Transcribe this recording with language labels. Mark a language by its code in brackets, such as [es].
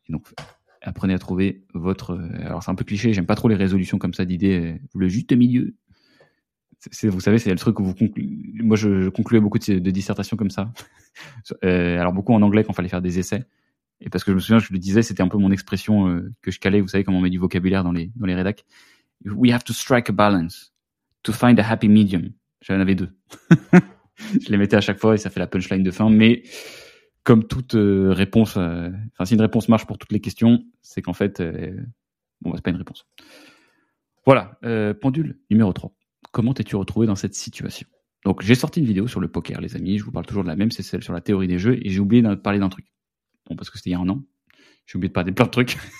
[fr] Et donc, apprenez à trouver votre... Alors, c'est un peu cliché, j'aime pas trop les résolutions comme ça d'idées. Le juste milieu. C'est, vous savez, c'est le truc où vous concluez... Moi, je concluais beaucoup de dissertations comme ça. Alors, beaucoup en anglais quand il fallait faire des essais. Et parce que je me souviens, je le disais, c'était un peu mon expression que je calais. Vous savez comment on met du vocabulaire dans les rédacs. [en] We have to strike a balance to find a happy medium. [fr] J'en avais deux. Je les mettais à chaque fois et ça fait la punchline de fin. Mais comme toute réponse, enfin, si une réponse marche pour toutes les questions, c'est qu'en fait, bon, c'est pas une réponse. Voilà, pendule numéro 3. Comment t'es-tu retrouvé dans cette situation? Donc, j'ai sorti une vidéo sur le poker, les amis. Je vous parle toujours de la même, c'est celle sur la théorie des jeux. Et j'ai oublié de parler d'un truc. Bon, parce que c'était il y a un an. J'ai oublié de parler de plein de trucs.